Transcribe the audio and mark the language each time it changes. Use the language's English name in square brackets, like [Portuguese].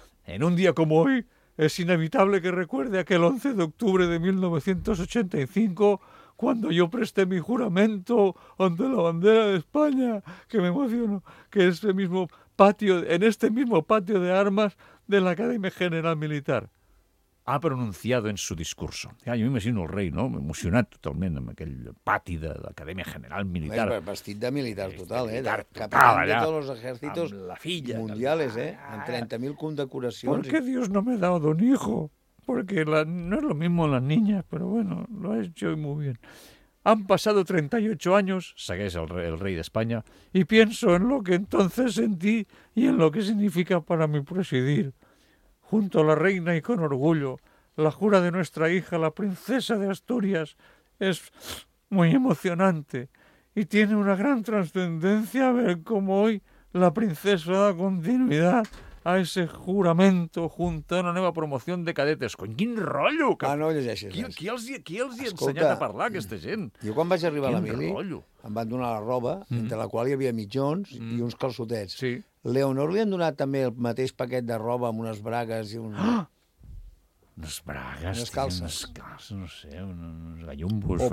[Spanish] En un día como hoy, es inevitable que recuerde aquel 11 de octubre de 1985... cuando yo presté mi juramento ante la bandera de España, que me emocionó, que es el mismo patio, en este mismo patio de armas de la Academia General Militar. Ha pronunciado en su discurso. [Catalan] Ja, jo m'imagino el rei, no? Emocionat totalment amb aquell pati de l'Acadèmia General Militar. Vestit de militar total, militar, eh? Capitán de tots els exèrcits mundials, eh? Amb 30.000 condecoracions. [Spanish] ¿Por qué Dios no me ha dado un hijo? Porque la, no es lo mismo la niña, pero bueno, lo ha hecho muy bien. Han pasado 38 años, [Catalan] segueix el rei d'Espanya, [Spanish] y pienso en lo que entonces sentí y en lo que significa para mí presidir. Junto a la reina y con orgullo, la jura de nuestra hija, la princesa de Asturias, es muy emocionante y tiene una gran trascendencia ver cómo hoy la princesa da continuidad a ese juramento junto a una nueva promoción de cadetes. [Catalan] Cony, quin rotllo! Que... Ah, no llegeixes. Qui els hi ha ensenyat a parlar, aquesta gent? Jo quan vaig arribar a la mili, em van donar la roba, entre la qual hi havia mitjons i uns calçotets. Sí. Leonor li han donat també el mateix paquet de roba amb unes bragues i un... Ah! Unes bragues, unes calces. Unes calces, no sé, uns gallumbos femenins.